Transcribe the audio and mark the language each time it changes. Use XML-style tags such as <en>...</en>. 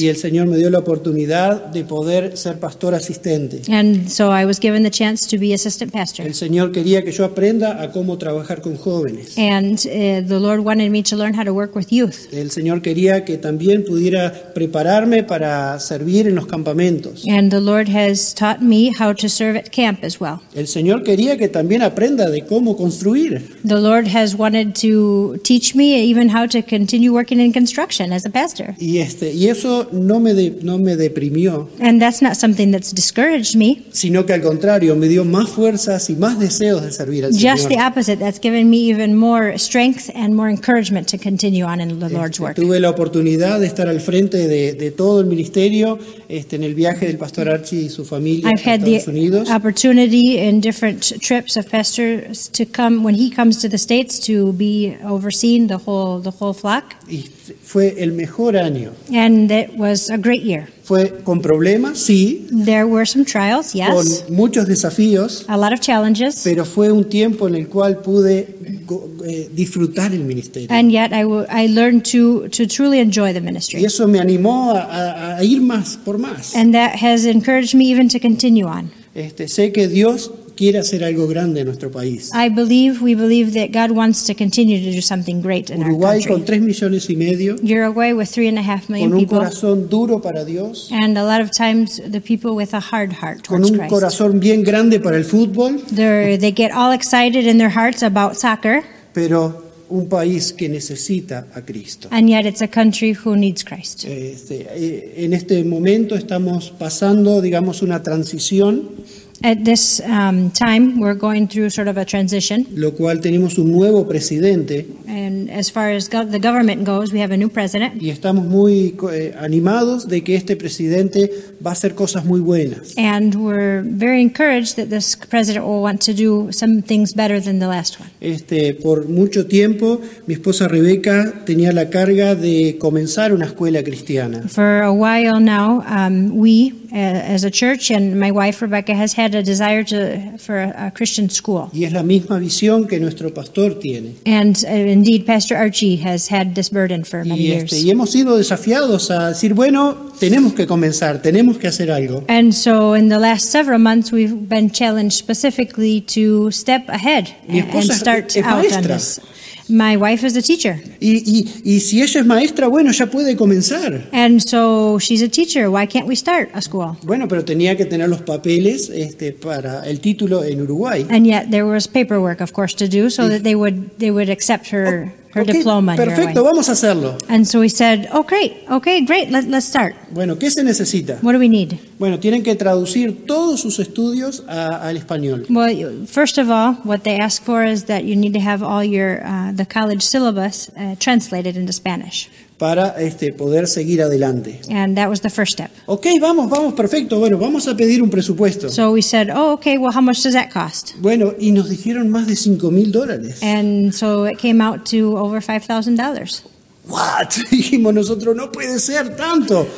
<es>Y el Señor me dio la oportunidad de poder ser pastor asistente.</es> <en>And so I was given the chance to be assistant pastor.</en> <es>El Señor quería que yo aprenda a cómo trabajar con jóvenes.</es> <en>And the Lord wanted me to learn how to work with youth.</en> <es>El Señor quería que también pudiera prepararme para servir en los campamentos.</es> <en>And the Lord has taught me how to serve at camp as well.</en> <es>El Señor quería que también aprenda de cómo construir.</es> <en>The Lord has wanted to teach me even how to continue working in construction as a pastor.</en> <es>Y este, y eso no me de, no me deprimió.</es> <en>And that's not something that's discouraged me.</en> <es>Sino que al contrario, me dio más fuerzas y más deseos de servir al</es> <en>Just</en> <es>Señor.</es> <en>Just the opposite, that's given me even more strength and more encouragement to continue on in the Lord's work.</en> <es>Tuve la oportunidad de estar al frente de todo el ministerio este, en el viaje del pastor Archie y su familia</es> <en>I've a had</en> <es>Estados</es> <en>the</en> <es>Unidos.</es> <en>Opportunity in different trips of pastors to come when he comes to the States to be overseeing the whole flock.</en> <es>Y fue el mejor año.</es> <en>And it was a great year.</en> <es>Fue con problemas, sí.</es> <en>There were some trials, yes.</en> <es>Con muchos desafíos.</es> <en>A lot of challenges.</en> <es>Pero fue un tiempo en el cual pude disfrutar el ministerio.</es> <en>And yet I learned to truly enjoy the ministry.</en> <es>Y eso me animó a ir más por más.</es> <en>And that has encouraged me even to continue on.</en> <es>Este, sé que Dios quiere hacer algo grande en nuestro país.</es> <en>I believe, we believe that God wants to continue to do something great in Uruguay, our country.</en> <es>Uruguay con 3.5 millones.</es> <en>Uruguay with 3.5 million people.</en> <es>Con un corazón duro para Dios.</es> <en>And a lot of times the people with a hard heart towards Christ.</en> <es>Con un corazón bien grande para el fútbol.</es> <en>They get all excited in their hearts about soccer.</en> <es>Pero un país que necesita a Cristo.</es> <en>And yet it's a country who needs Christ.</en> <es>Este, en este momento estamos pasando, digamos, una transición.</es> <en>At this time, we're going through sort of a transition.</en> <es>Lo cual tenemos un nuevo presidente.</es> <en>And as far as the government goes, we have a new president.</en> <es>Y estamos muy animados de que este presidente va a hacer cosas muy buenas.</es> <en>And we're very encouraged that this president will want to do some things better than the last one.</en> <es>Este, por mucho tiempo, mi esposa Rebeca tenía la carga de comenzar una escuela cristiana.</es> <en>For a while now, we, as a church, and my wife Rebecca has had a desire to for a Christian school.</en> <es>Y es la misma visión que nuestro pastor tiene.</es> <en>And indeed, Pastor Archie has had this burden for many years.</en> <es>Y hemos sido desafiados a decir, bueno, tenemos que comenzar, tenemos que hacer algo.</es> <en>And so, in the last several months, we've been challenged specifically to step ahead and start out on this. My wife is a teacher.</en> <es>Y si ella es maestra, bueno, ya puede comenzar.</es> <en>And so she's a teacher. Why can't we start a school?</en> <es>Bueno, pero tenía que tener los papeles este, para el título en Uruguay.</es> <en>And yet there was paperwork, of course, to do so that they would accept her, her okay, diploma.</en> <es>Perfecto, vamos a hacerlo.</es> <en>And so we said, okay, great, let's start.</en> <es>Bueno, ¿qué se necesita?</es> <en>What do we need?</en> <es>Bueno, tienen que traducir todos sus estudios al español.</es> <en>Well, first of all, what they ask for is that you need to have all your the college syllabus translated into Spanish.</en> <es>Para este, poder seguir adelante.</es> <en>And that was the first step.</en> <es>Okay, vamos, perfecto. Bueno, vamos a pedir un presupuesto.</es> <en>So we said, oh, okay, well, how much does that cost?</en> <es>Bueno, y nos dijeron más de $5,000.</es> <en>And so it came out to over $5,000. What?</en> <es>Dijimos nosotros, no puede ser tanto.</es>